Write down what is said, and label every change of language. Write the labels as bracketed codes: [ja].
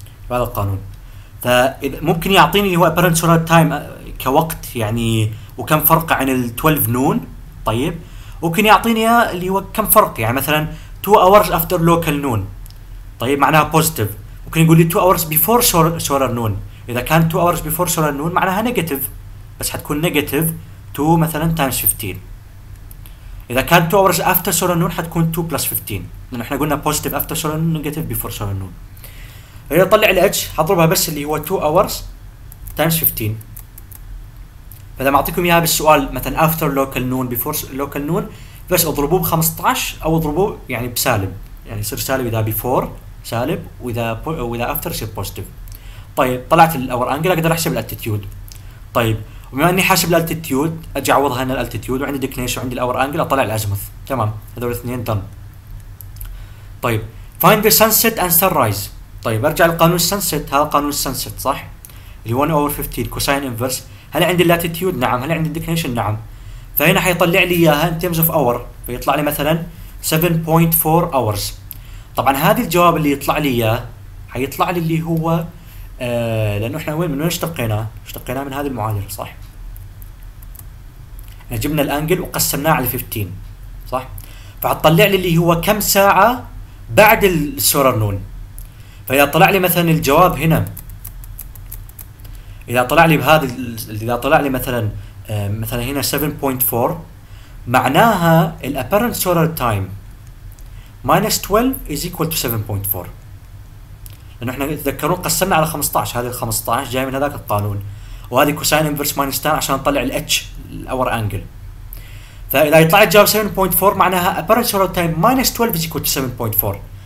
[ar] هذا القانون. فممكن يعطيني اللي هو apparent solar time كوقت يعني، وكم فرق عن ال 12 نون. طيب ممكن يعطيني اللي هو كم فرق، يعني مثلا 2 hours after local noon طيب معناها positive. [en] ممكن يقول لي 2 hours before solar noon، اذا كان 2 hours before solar noon معناها negative، بس حتكون negative 2 مثلا times 15. اذا كان 2 hours after solar noon حتكون 2 plus 15، لان احنا قلنا positive after solar noon negative before solar noon. [ar] هي طلع ال h حضربها بس اللي هو 2 hours times 15. فاذا ما اعطيكم اياها بالسؤال مثلا after local noon before local noon، بس اضربوه ب 15 او اضربوه يعني بسالب، يعني يصير سالب اذا before سالب، واذا after يصير positive. طيب طلعت ال hour angle، اقدر احسب الالتيتيود. طيب وبما اني حاسب الالتيتيود اجي اعوضها هنا الالتيتيود، وعندي declination وعندي ال hour angle، اطلع الازمث. تمام هذول الاثنين done. [en] طيب find the sunset and sunrise. [ar] طيب ارجع لقانون السنسيت، هذا قانون السنسيت صح؟ اللي 1 اوفر 15 كوساين انفرس. هل عندي اللاتيتيود؟ نعم. هل عندي الديكليشن؟ نعم. فهنا حيطلع لي اياها ان تيرمز اوف اور، فيطلع لي مثلا 7.4 اورز. طبعا هذا الجواب اللي يطلع لي اياه حيطلع لي اللي هو لانه احنا وين من وين اشتقيناه؟ اشتقيناه من هذه المعادله صح؟ احنا جبنا الانجل وقسمناه على 15 صح؟ فحتطلع لي اللي هو كم ساعه بعد السولار نون. فإذا طلع لي مثلا الجواب هنا، إذا طلع لي بهذا، إذا طلع لي مثلا مثلا هنا 7.4، معناها الـ apparent solar time minus 12 is equal to 7.4. لأنه احنا تذكرون قسمنا على 15، هذه الـ 15 جاي من هذاك القانون، وهذه كوساين inverse minus 10 عشان نطلع الـ h الـ hour angle. [en] فإذا يطلع لي الجواب 7.4 معناها apparent solar time minus 12 is equal to 7.4.